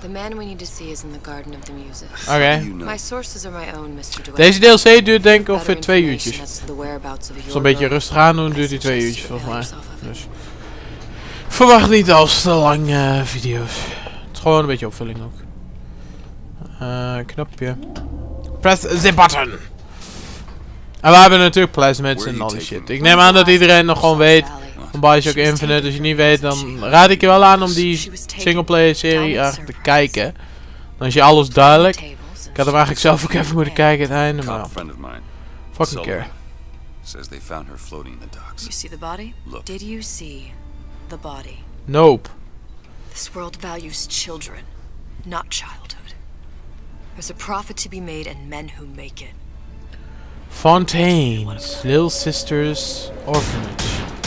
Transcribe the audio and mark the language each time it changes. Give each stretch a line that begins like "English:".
English: The man we need to see is in the Garden of the Muses. Okay. My sources are my own, Mr. Dwight.
Dutch: Deze DLC duurt denk ik ongeveer 2 uurtjes. Zo'n beetje rustig aan doen duurt die 2 uurtjes volgens mij. Dus verwacht niet als te lange video's. Het is gewoon een beetje opvulling ook. Knopje.
English: Press the button!
Dutch: En we hebben natuurlijk plasmids en al die shit. Ik neem aan dat iedereen nog gewoon weet van Bioshock Infinite. Als je niet weet, dan raad ik je wel aan om die singleplayer serie te kijken. Dan is je alles duidelijk. Ik had hem eigenlijk zelf ook even moeten kijken het einde, maar...
English: Fucking care. Says they found her floating in the docks. You see the body? Look. Did you see the body? Nope. This world values children, not childhood. There's a profit to be made and men who make it. Fontaine's Little Sister's Orphanage.